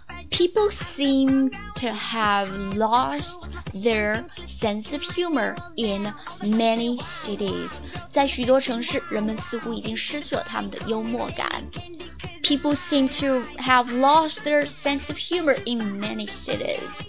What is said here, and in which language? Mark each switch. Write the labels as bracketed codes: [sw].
[en] People seem to have lost their sense of humor in many cities. [zh] 在许多城市，人们似乎已经失去了他们的幽默感。 [en] People seem to have lost their sense of humor in many cities.